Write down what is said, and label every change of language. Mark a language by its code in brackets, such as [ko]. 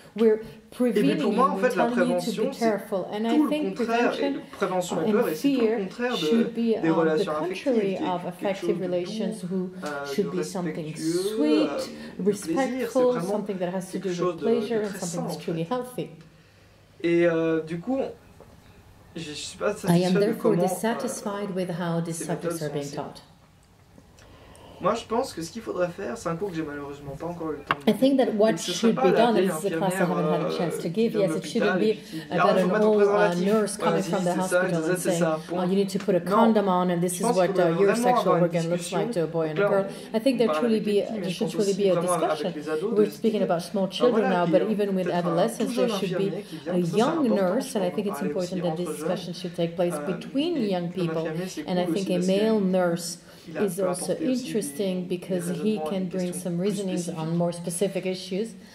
[en] We're prevening, we're telling you to be careful. And I think prevention and fear should be the contrary of affective relations, who should be something sweet, respectful, something that has to do with pleasure, and something that's truly healthy. [fr] Et du coup, je suis pas satisfait [en] I am therefore dissatisfied with how these subjects are being taught. [fr] Moi, je pense que ce qu'il faudrait faire, c'est un cours que j'ai malheureusement pas encore eu le temps de faire. [en] I think that what should be done, this is a class I haven't had a chance to give. Yes, it shouldn't be about an old nurse coming from the hospital and saying, oh, you need to put a condom on, and this is what your sexual organ looks like to a boy and a girl. I think there truly be, there should truly be a discussion. We're speaking about small children now, but even with adolescents, there should be a young nurse, and I think it's important that this discussion should take place between young people, and I think a male nurse is also interesting because he can bring some reasonings on more specific issues